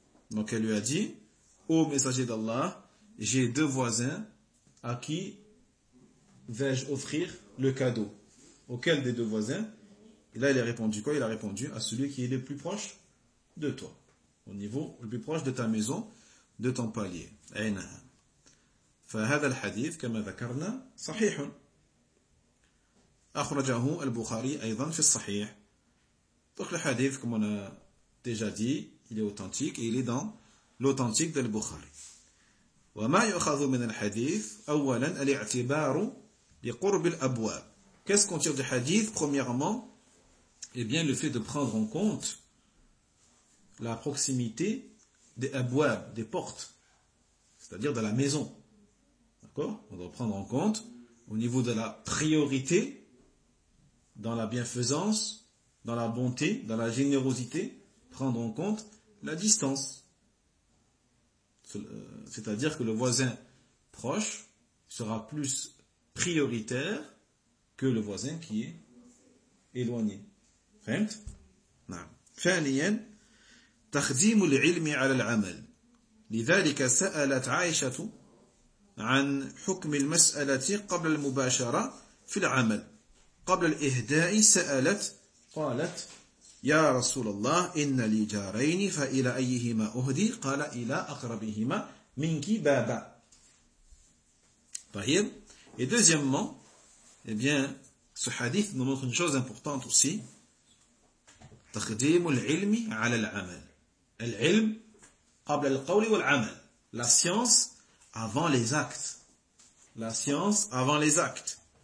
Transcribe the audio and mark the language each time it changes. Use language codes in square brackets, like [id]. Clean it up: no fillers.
[fr] Donc elle lui a dit, ô messager d'Allah, j'ai deux voisins à qui vais-je offrir le cadeau. Auquel des deux voisins? Et là, il a répondu quoi? Il a répondu à celui qui est le plus proche de toi. Au niveau le plus proche de ta maison, de ton palier. Aïna. [ar] فهذا الحديث كما ذكرنا صحيح أخرجه البخاري أيضا في الصحيح. [fr] Donc le hadith, comme on a déjà dit, il est authentique et il est dans l'authentique de Al-Bukhari. [ar] وما يؤخذ من الحديث أولا الاعتبار لقرب الأبواب. [fr] Qu'est-ce qu'on tire du hadith? Premièrement, eh bien le fait de prendre en compte la proximité des abouab, des portes, c'est-à-dire de la maison. D'accord? On doit prendre en compte au niveau de la priorité dans la bienfaisance, dans la bonté, dans la générosité, prendre en compte la distance. C'est-à-dire que le voisin proche sera plus prioritaire que le voisin qui est éloigné. [ar] Fahimt? Na'am. Thaniyan, تخديم العلم على العمل. لذلك سألت عائشة عن حكم المسألة قبل المباشرة في العمل. قبل الإهداء سألت قالت يا رسول الله إن لي جارين فإلى أيهما أهدي قال إلى أقربهما منك بابا. طيب. [fr] Et deuxièmement, eh bien, ce hadith nous montre une chose importante aussi. [ar] تخديم العلم على العمل. العلم قبل القول والعمل. [fr] La science avant les actes. La science avant les actes.